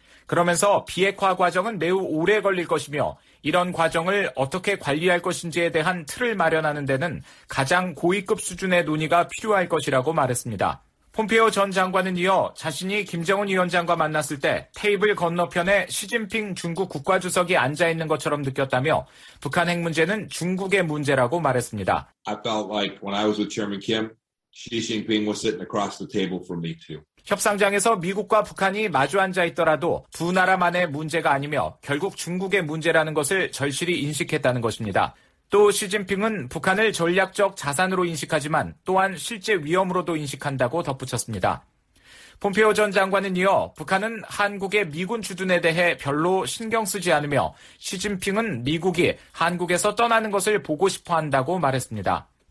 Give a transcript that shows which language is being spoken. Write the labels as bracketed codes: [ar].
[ko] 그러면서 비핵화 과정은 매우 오래 걸릴 것이며 이런 과정을 어떻게 관리할 것인지에 대한 틀을 마련하는 데는 가장 고위급 수준의 논의가 필요할 것이라고 말했습니다. 폼페이오 전 장관은 이어 자신이 김정은 위원장과 만났을 때 테이블 건너편에 시진핑 중국 국가주석이 앉아있는 것처럼 느꼈다며 북한 핵 문제는 중국의 문제라고 말했습니다. [en] I felt like when I was with Chairman Kim, Xi Jinping was sitting across the table from me too. [ko] 협상장에서 미국과 북한이 마주 앉아 있더라도 두 나라만의 문제가 아니며 결국 중국의 문제라는 것을 절실히 인식했다는 것입니다. 또 시진핑은 북한을 전략적 자산으로 인식하지만 또한 실제 위험으로도 인식한다고 덧붙였습니다. 폼페이오 전 장관은 이어 북한은 한국의 미군 주둔에 대해 별로 신경 쓰지 않으며 시진핑은 미국이 한국에서 떠나는 것을 보고 싶어 한다고 말했습니다.